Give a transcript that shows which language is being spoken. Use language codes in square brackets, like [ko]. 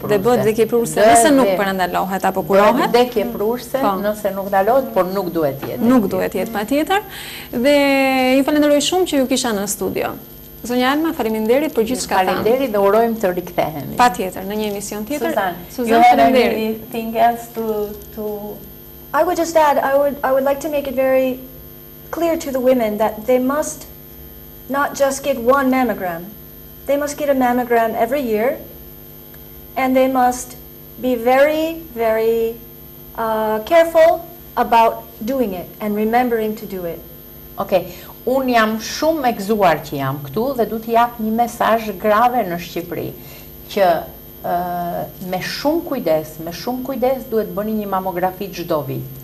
[sq] Dhe bëhet vdekje prurse nëse nuk përndalohet apo kurohet. Vdekje prurse nëse nuk ndalohet, por nuk duhet të jetë. Nuk duhet të jetë patjetër. Dhe ju falenderoj shumë që ju kisha në studio. Zonja Alma, faleminderit për gjithçka. Faleminderit dhe urojmë të rikthehemi. Patjetër, në një emision tjetër. Suzan, faleminderit. [en] I would just add, I would like to make it very clear to the women that they must not just get one mammogram. They must get a mammogram every year and they must be very very careful about doing it and remembering to do it. Okay. [sq] Unë jam shumë e gëzuar që jam këtu dhe du t'i jap një mesazh grave në Shqipëri që me shumë kujdes duhet bëni një mamografi çdo vit.